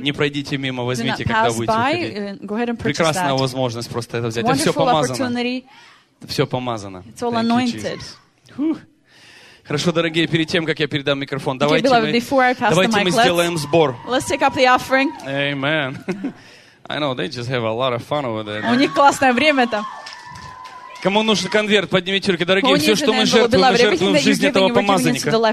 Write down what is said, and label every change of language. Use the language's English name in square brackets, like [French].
[Russian] Не пройдите мимо, возьмите, когда будете уходить. Прекрасная that. Возможность просто это взять. Все помазано. Все помазано. [English] It's all anointed. [Russian] Хорошо, дорогие, перед тем, как я передам микрофон, давайте мы сделаем сбор. [English] Let's take up the offering. Amen. I know, they just have a lot of fun over there. [Russian] У них классное время там. Кому нужен конверт, поднимите руки. Дорогие, все, что мы жертвуем в жизни этого помазанника.